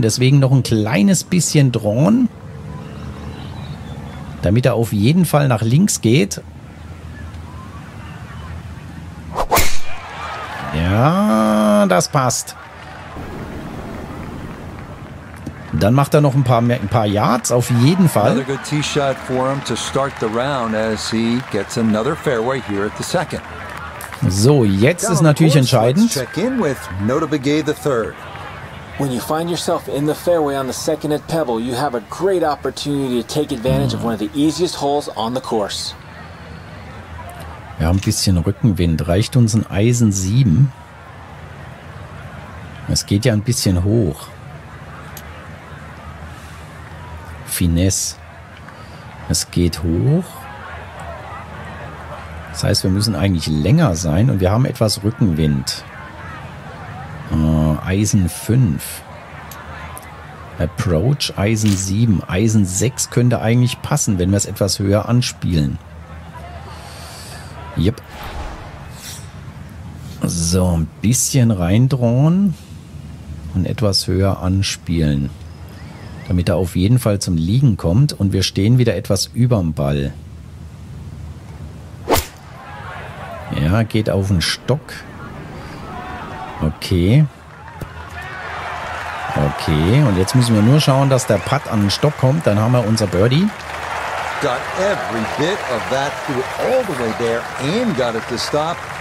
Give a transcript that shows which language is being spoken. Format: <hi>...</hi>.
<de>Deswegen noch ein kleines bisschen drohen, damit er auf jeden Fall nach links geht. Ja, das passt. Dann macht er noch ein paar Yards, auf jeden Fall.</de> <en>Another good tee shot for him to start the round as he gets another fairway here at the second.</en> <de>So, jetzt ist natürlich entscheidend.</de> <en>Check in with Notabegay the third. When you find yourself in the fairway on the second at Pebble, you have a great opportunity to take advantage of one of the easiest holes on the course.</en> <de>Wir haben ein bisschen Rückenwind, reicht uns ein Eisen 7? Es geht ja ein bisschen hoch. Finesse. Es geht hoch. Das heißt, wir müssen eigentlich länger sein und wir haben etwas Rückenwind. Eisen 5. Approach Eisen 7. Eisen 6 könnte eigentlich passen, wenn wir es etwas höher anspielen. Yep. So, ein bisschen reindrohen. und etwas höher anspielen, damit er auf jeden Fall zum Liegen kommt und wir stehen wieder etwas überm Ball. Ja, geht auf den Stock. Okay. Okay, und jetzt müssen wir nur schauen, dass der Putt an den Stock kommt. Dann haben wir unser Birdie.</de> <en>Got every bit of that through all the way there and got it to stop.</en>